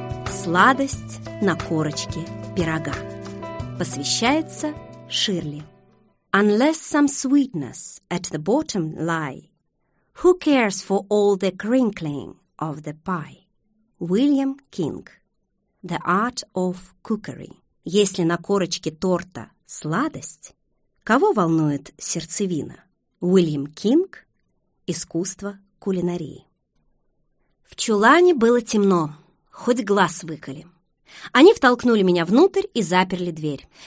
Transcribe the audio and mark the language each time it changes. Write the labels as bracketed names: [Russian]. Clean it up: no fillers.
[Russian] «Сладость на корочке пирога». Посвящается Ширли. [English] Unless some sweetness at the bottom lie, who cares for all the crinkling of the pie? William King. The Art of Cookery. [Russian] Если на корочке торта сладость, кого волнует сердцевина? Уильям Кинг. Искусство кулинарии. В чулане было темно, хоть глаз выколи. Они втолкнули меня внутрь и заперли дверь.